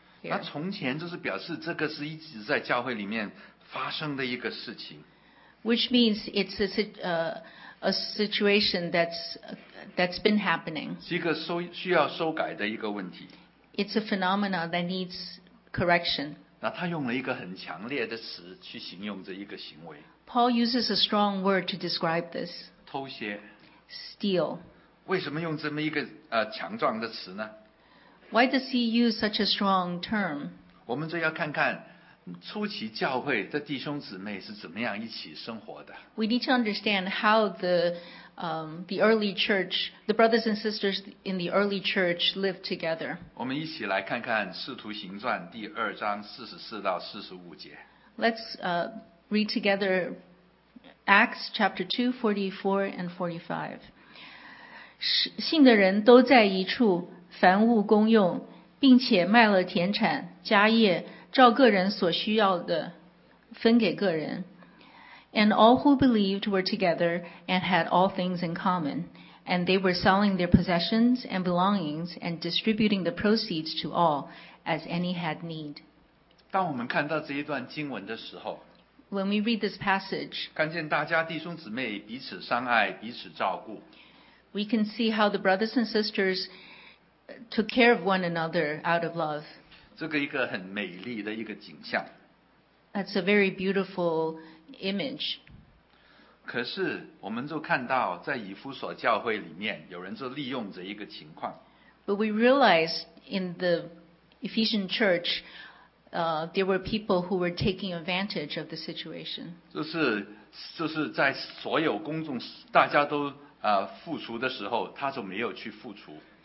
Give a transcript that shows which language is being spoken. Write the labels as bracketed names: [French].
[Chinese] 那从前就是表示这个是一直在教会里面发生的一个事情。 [English] Which means it's a situation that's been happening. [Chinese] 是一个需要修改的一个问题。 [English] It's a phenomena that needs correction. [Chinese] 那他用了一个很强烈的词去形容这一个行为。 [English] Paul uses a strong word to describe this. [Chinese] 偷窃。 [English] Steal. [Chinese] 为什么用这么一个强壮的词呢 [English] ？Why does he use such a strong term？ [Chinese] 我们就要看看初期教会的弟兄姊妹是怎么样一起生活的。 [English] We need to understand how the early church, the brothers and sisters in the early church lived together. [Chinese] 我们一起来看看《使徒行传》第二章44-45节。 [English] Let's read together Acts chapter 2:44-45. [Chinese] 信的人都在一处，凡物公用，并且卖了田产、家业，照个人所需要的分给个人。 [English] And all who believed were together and had all things in common, and they were selling their possessions and belongings and distributing the proceeds to all as any had need. [Chinese] 当我们看到这一段经文的时候 [English] ，When we read this passage， [Chinese] 看见大家弟兄姊妹彼此相爱，彼此照顾。 [English] We can see how the brothers and sisters took care of one another out of love. [Chinese] 这个一个很美丽的一个景象。 [English] That's a very beautiful image. [Chinese] 可是我们就看到在以弗所教会里面有人就利用这一个情况。 [English] But we realized in the Ephesian church, there were people who were taking advantage of the situation. [Chinese] 就是在所有公众大家都付出的时候他就没有去付出。